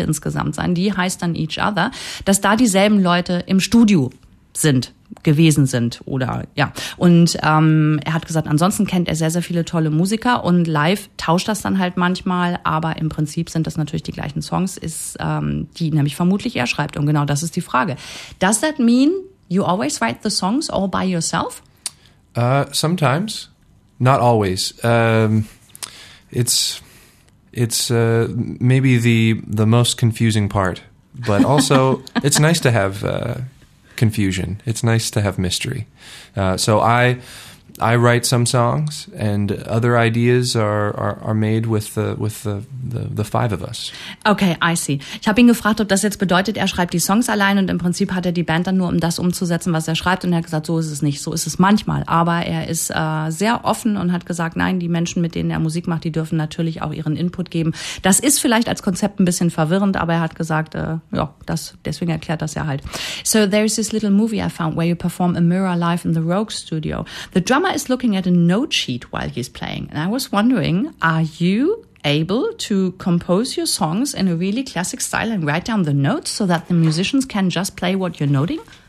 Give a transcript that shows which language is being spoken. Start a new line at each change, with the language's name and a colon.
German: insgesamt sein, die heißt dann Each Other, dass da dieselben Leute im Studio sind. Gewesen sind oder ja. Und er hat gesagt, ansonsten kennt er sehr, sehr viele tolle Musiker und live tauscht das dann halt manchmal, aber im Prinzip sind das natürlich die gleichen Songs, die nämlich vermutlich er schreibt. Und genau das ist die Frage.
English: Does that mean you always write the songs all by yourself? Sometimes. Not always. It's maybe the most confusing part. But also it's nice to have confusion. It's nice to have mystery. So I write some songs and other ideas are made with the 5 of us. Okay, I see.
German: Ich habe ihn gefragt, ob das jetzt bedeutet, er schreibt die Songs allein und im Prinzip hat er die Band dann nur, um das umzusetzen, was er schreibt. Und er hat gesagt, so ist es nicht, so ist es manchmal. Aber er ist sehr offen und hat gesagt, nein, die Menschen, mit denen er Musik macht, die dürfen natürlich auch ihren Input geben. Das ist vielleicht als Konzept ein bisschen verwirrend, aber er hat gesagt, ja, das deswegen erklärt das ja halt.
English: So there is this little movie I found where you perform a mirror live in the Rogue Studio. The drummer is looking at a note sheet while he's playing. And I was wondering, are you able to compose your songs in a really classic style and write down the notes so that the musicians can just play what you're noting?